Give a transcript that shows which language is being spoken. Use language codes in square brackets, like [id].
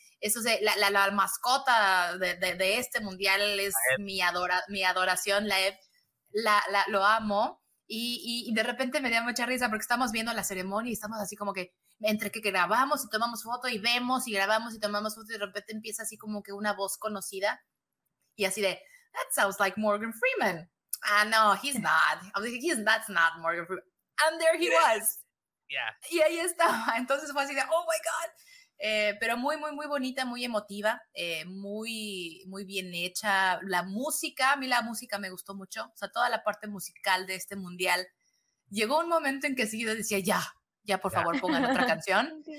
[es] Eso es la mascota de este mundial es mi adoración, la Ev. Lo amo. Y de repente me dio mucha risa porque estamos viendo la ceremonia y estamos así como que entre que grabamos y tomamos foto y vemos y grabamos y tomamos foto y de repente empieza así como que una voz conocida y así de, [en] that sounds like Morgan Freeman. Ah, no, he's not. I was like, that's not Morgan Freeman. And there he was. Yeah. [es] Y ahí estaba. Entonces fue así de, [en] oh, my God. [es] Pero muy, muy, muy bonita, muy emotiva, muy, muy bien hecha. La música, a mí la música me gustó mucho. O sea, toda la parte musical de este mundial. Llegó un momento en que sí, yo decía, ya, ya, por favor, pongan otra canción.